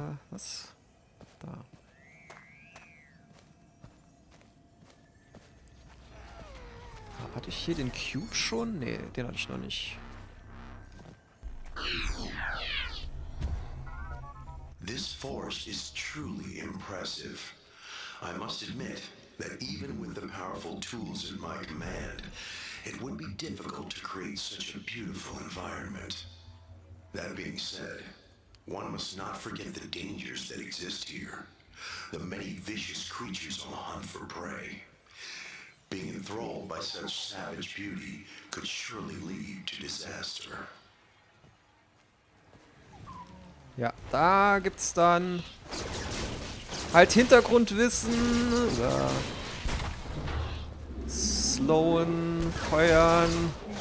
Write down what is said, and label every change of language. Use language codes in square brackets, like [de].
[de] Was? Da. Hatte ich hier den Cube schon? Nee, den hatte ich noch nicht. [en] This force is truly impressive. I must admit that even with the powerful tools in my command, it would be difficult to create such a beautiful environment. That being said, one must not forget the dangers that exist here. The many vicious creatures on the hunt for prey. Being enthralled by such savage beauty could surely lead to disaster. [de] Ja, da gibt's dann halt Hintergrundwissen. Ja. Slowen, feuern.